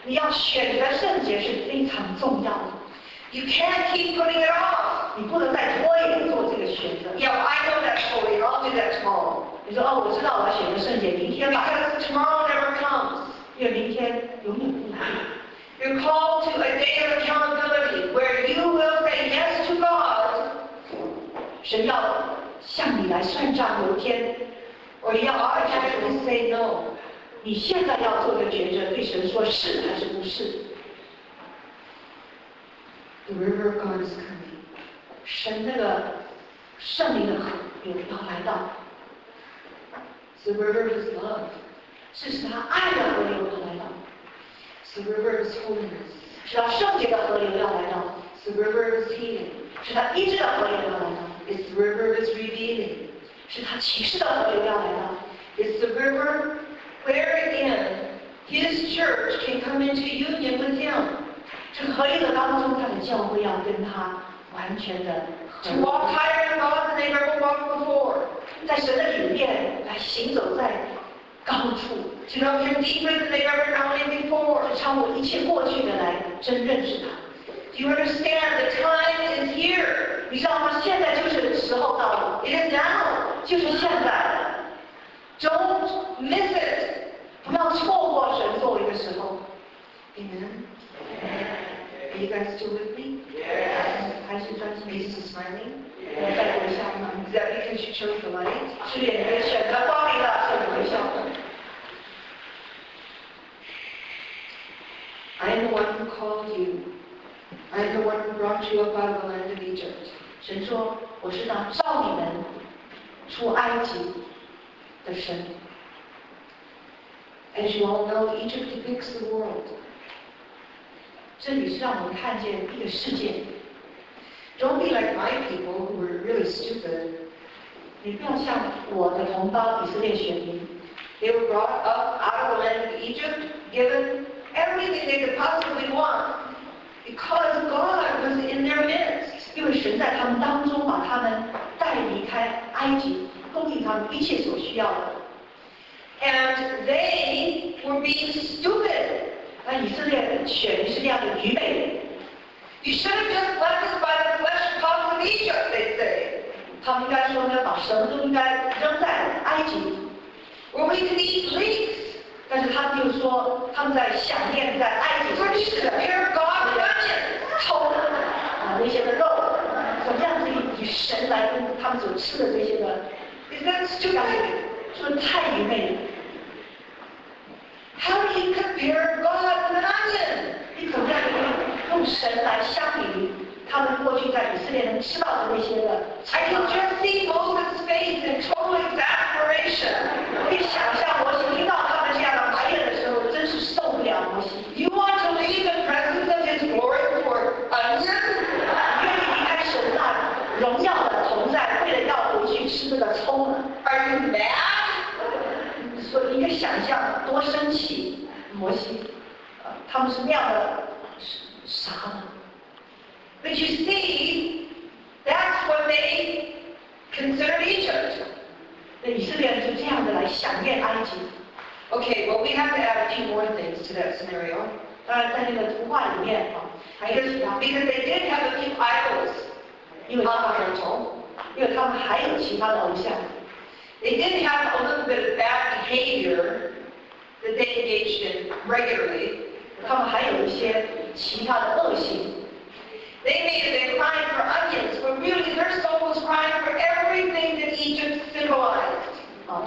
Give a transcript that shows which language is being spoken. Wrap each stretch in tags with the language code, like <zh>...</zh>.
<zh>选择圣洁是非常重要的。</zh> <en>You can't keep putting it off.</en> <zh>你不能再拖延做这个选择。</zh> <en>Yeah, I know that's holy. I'll do that tomorrow.</en> <zh>你说哦，我知道我要选择圣洁，明天吧。</zh> <en>Because tomorrow never comes.</en> <zh>因为明天永远不来。</zh> <en>You're called to a day of accountability where you will say yes to God.</en> <zh>神要向你来算账，有一天。</zh> <en>Or you'll actually say no.</en> <zh>你现在要做个抉择，对神说是还是不是</zh> <en>？The river of God is coming.</en> <zh>神那个圣灵的河有要来到。</zh> <en>It's the river of His love.</en> <zh>是使他爱的河流要来到。</zh> <en>It's the river of His holiness.</en> <zh>使他圣洁的河流要来到。</zh> <en>It's the river of His healing.</en> <zh>使他医治的河流要来到。</zh> <en>It's the river of His revealing. 使他启示的河流要来到。 It's the river. Wherein his church can come into union with him.</en> <zh>这个合一的当中，他的教会要跟他完全的合。</zh> <en>To walk higher in God than they ever walked before.</en> <zh>在神的里面来行走在高处。</zh> <en>To know him deeper than they ever known him before.</en> <zh>就超过一切过去的来真认识他。</zh> <en>Do you understand the time is here?</en> <zh>你知道吗？现在就是时候到了。</zh> <en>It is now.</en> <zh>就是现在。</zh> <en>Don't miss it.</en> <zh>不要错过神作为的时候。</zh> <en>Amen. Amen. Are you guys still with me? Yes.</en> <zh>还是专心。</zh> <en>Are you still smiling? Yes.</en> <zh>再微笑吗？</zh> <en>Is that because you chose the light?</en> <zh>是因为选择光明了，所以微笑。</zh> <en>I am the one who called you. I am the one who brought you up out of the land of Egypt.</en> <zh>神说，我是那召你们出埃及。</zh> <en>As you all know, Egypt depicts the world.</en> <zh>这里是让我们看见一个世界。</zh> <en>Don't be like my people who were really stupid.</en> <zh>你不要像我的同胞以色列选民。</zh> <en>They were brought up out of the land of Egypt, given everything they could possibly want, because God was in their midst.</en> <zh>因为神在他们当中把他们带离开埃及。供应他们一切所需要的。</zh> <en>And they were being stupid.</en> <zh>那以色列人选民是那样的愚昧。</zh> <en>You should have just left us by the flesh pots of Egypt, they say.</en> <zh>他们应该说呢，把神都应该扔在埃及。</zh> <en>Or we could eat leeks.</en> <zh>但是他们又说，他们在想念在埃及。</zh> <en>Or we could prepare God's onions.</en> <zh>臭的啊，那些的肉，怎么样可以以神来供他们所吃的这些的？</zh> <en>Is that stupid?</en> <zh>是不是太愚昧了？</zh> <en>How do you compare God with an onion?</en> <zh>你怎么样用神来相比他们过去在以色列人吃到的那些的？</zh> <en>I can just see Moses' face in total exasperation.</en> <zh>我可以想象摩西听到他们这样的埋怨的时候，真是受不了摩西。</zh> <en>You want to leave the presence of His glory for onions?</en> <zh>愿意离开神那荣耀的同在，为了要回去吃那个葱呢</zh> <en>？Are you mad？</en> <zh>所以你可以想象多生气，摩西，他们是那样的傻的。</zh> <en>But you see, that's what they consider Egypt.</en> <zh>那以色列人就这样的来想念埃及。</zh> <en>Okay, well, we have to add a few more things to that scenario.</en> <zh>当然，在那个图画里面啊，还有其他。</zh> <en>Because they did have a few idols. Monumental.</en> <zh>因为他们还有其他的偶像。</zh> <en>They did have a little bit of bad behavior that they engaged in regularly.</en> <zh>他们还有一些其他的恶行。</zh> <en>They may have been crying for onions, but really their soul was crying for everything that Egypt symbolized.</en>